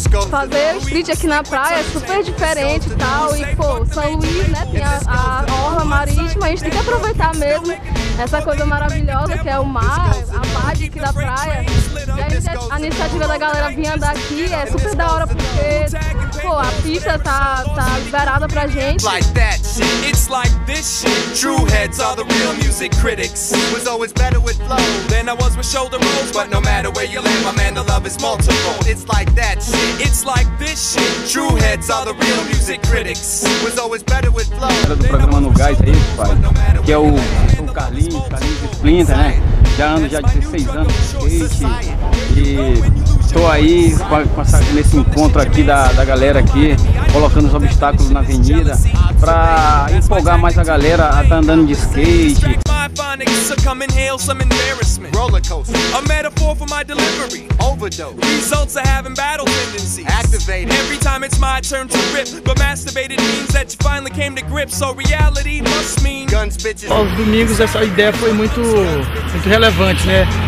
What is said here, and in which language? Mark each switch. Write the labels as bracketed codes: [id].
[pt] Fazer street aqui na praia é super diferente e tal. E pô, São Luís, né, tem a orla marítima, a gente tem que aproveitar mesmo essa coisa maravilhosa que é o mar, a margem aqui da praia. A iniciativa da galera vir andar aqui é super super da hora porque, pô, a pista tá liberada pra gente. [en] Like that shit, it's like this shit. True heads are the real music critics. Was always better with flow than I was with shoulder rolls. But no matter where you land, my man, the love is multiple. It's like that shit, it's like this shit. True heads are the real music critics. Was always better with flow. [pt] Era do programa No Gás aí, pai, que é o Carlinhos de Splinter, né? Já ando já 16 anos de skate e tô aí nesse encontro aqui da galera aqui, colocando os obstáculos na avenida pra empolgar mais a galera a tá andando de skate. [en] So come inhale some embarrassment. Roller coaster. A metaphor for my delivery. Overdose. Results of having battle tendencies. Activated. Every time it's my turn to rip. But masturbated means that you finally came to grips. So reality must mean guns, bitches. [pt] Aos domingos essa ideia foi muito, muito relevante, né?